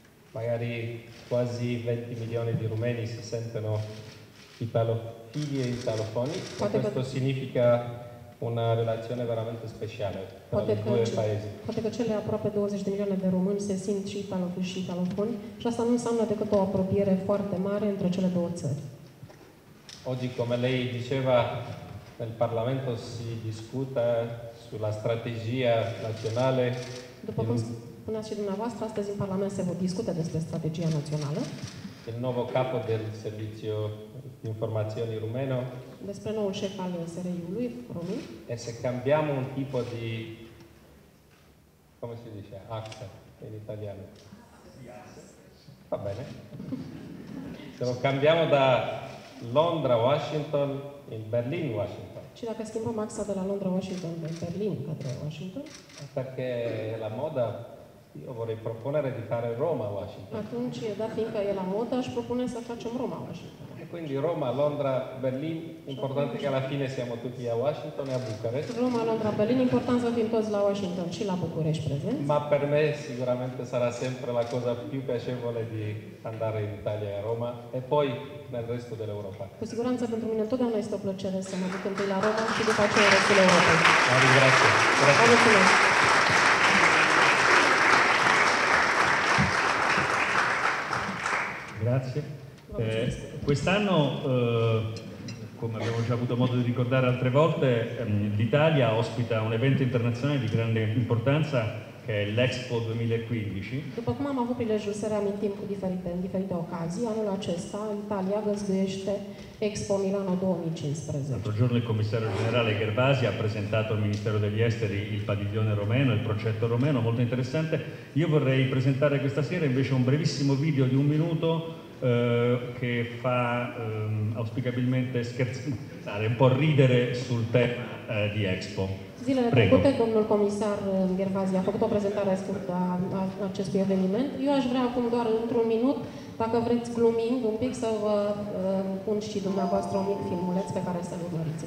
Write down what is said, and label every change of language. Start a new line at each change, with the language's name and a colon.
Italian: Magari quasi 20 milioni di rumeni si sentono italofili e italofoni. Questo significa una relazione veramente speciale tra i due paesi.
Romanian: Poate că cele aproape 20 de milioane de români se simt și italofili și italofoni și asta nu înseamnă decât o apropiere foarte mare între cele două țări.
Italian: Oggi, come lei diceva, nel Parlamento si discuta sulla strategia nazionale.
Romanian: Spuneați și dumneavoastră, astăzi în Parlament se discute despre strategia națională.
Italian: Il nuovo capo del servizio di informazioni rumeno.
Romanian: Despre noul șef al SRI-ului român.
Italian: E se cambiamo un tipo di, come si dice, asse in italiano. Va bene. Se lo cambiamo da Londra, Washington, in Berlin, Washington.
Romanian: Și dacă schimbăm axa de la Londra, Washington, în Berlin, către Washington?
Italian: Perché la moda. Io vorrei proponere di fare Roma-Washington.
Romanian: Atunci, da fiindcă e la moda, aș propune să facem Roma-Washington.
Italian: E quindi Roma, Londra, Berlin, importante che alla fine siamo tutti a Washington e a București.
Romanian: Roma, Londra, Berlin, important să fim toți la Washington și la București prezenți.
Italian: Ma per me sicuramente sarà sempre la cosa più piacevole di andare in Italia e a Roma e poi nel resto dell'Europa.
Romanian: Cu siguranță pentru mine întotdeauna este o plăcere să mă duc întâi la Roma și după aceea în restul Europei. Vă
Italian: ringrazio.
Romanian: Mulțumesc.
Italian: Grazie. Quest'anno, come abbiamo già avuto modo di ricordare altre volte, l'Italia ospita un evento internazionale di grande importanza che è l'Expo 2015.
Romanian: După cum am avut prilejul să reamintim cu diferite ocazii, anul acesta Italia găzduiește Expo Milano 2015.
Italian: L'altro giorno il commissario generale Gervasi ha presentato al Ministero degli Esteri il padiglione romeno, il progetto romeno, molto interessante. Io vorrei presentare questa sera invece un brevissimo video di un minuto che fa auspicabilmente scherzare, un po' ridere sul tema di Expo.
Romanian: Zilele trecute, domnul comisar Gervasi a făcut o prezentare scurtă a acestui eveniment. Eu aș vrea acum doar într-un minut, dacă vreți glumind un pic, să vă pun și dumneavoastră un mic filmuleț pe care să-l urmăriți.